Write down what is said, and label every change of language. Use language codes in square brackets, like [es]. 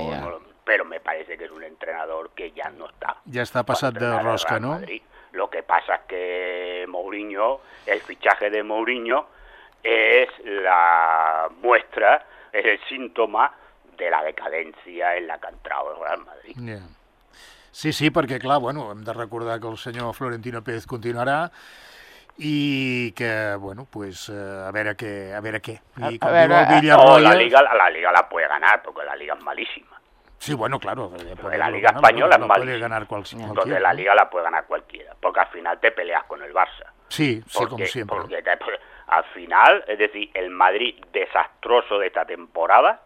[es] No, pero me parece que es un entrenador que ya no está. Ya está passat de rosca, ¿no? Lo que pasa es que Mourinho, el fichaje de Mourinho, es la muestra, es el síntoma de la decadència en la que ha entrado el Real Madrid. Yeah. [ca] Sí, perquè, clar, bueno, hem de recordar que el senyor Florentino Pérez continuarà i que, bueno, pues, a veure què. I a veure, [es] la Liga la puede ganar, porque la Liga es malísima. Sí, bueno, claro. La Liga española es malísima. Entonces la Liga la puede ganar cualquiera, porque al final te peleas con el Barça. Sí, como siempre. Porque al final, es decir, el Madrid desastroso de esta temporada...